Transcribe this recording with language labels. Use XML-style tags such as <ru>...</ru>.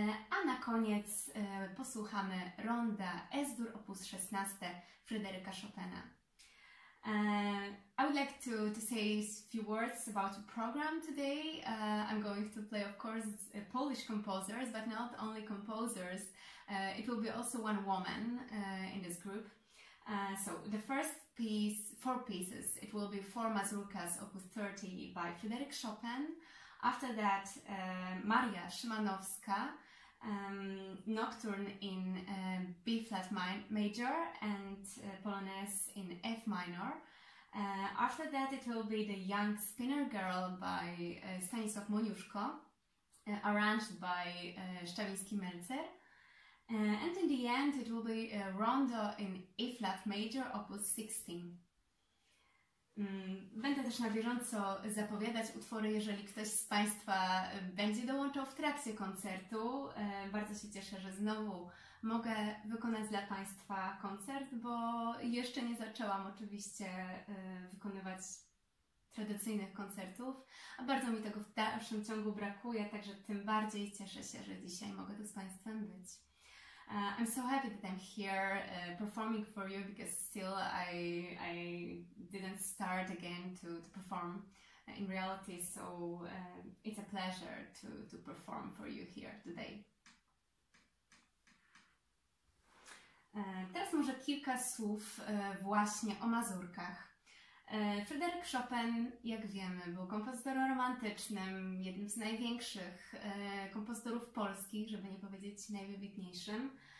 <pl>A na koniec posłuchamy Ronda S-dur opus 16 Fryderyka Chopina.</pl> <en>I would like to say a few words about the program today. I'm going to play, of course, Polish composers, but not only composers. It will be also one woman in this group. So the first piece, four pieces, it will be four mazurkas opus 30 by Fryderyk Chopin. After that, Maria Szymanowska, Nocturne in B flat major and Polonaise in F minor. After that, it will be The Young Spinner Girl by Stanisław Moniuszko, arranged by Szczawiński-Melzer. And in the end, it will be Rondo in E flat major, opus 16.</en> <pl>Będę też na bieżąco zapowiadać utwory, jeżeli ktoś z Państwa będzie dołączał w trakcie koncertu. Bardzo się cieszę, że znowu mogę wykonać dla Państwa koncert, bo jeszcze nie zaczęłam oczywiście wykonywać tradycyjnych koncertów, a bardzo mi tego w dalszym ciągu brakuje, także tym bardziej cieszę się, że dzisiaj mogę tu z Państwem być.</pl> <en>I'm so happy that I'm here performing for you because still I didn't start again to perform in reality, so it's a pleasure to perform for you here today.</en> <pl>Teraz może kilka słów właśnie o mazurkach. Fryderyk Chopin, jak wiemy, był kompozytorem romantycznym, jednym z największych kompozytorów polskich, żeby nie powiedzieć najwybitniejszym.</pl>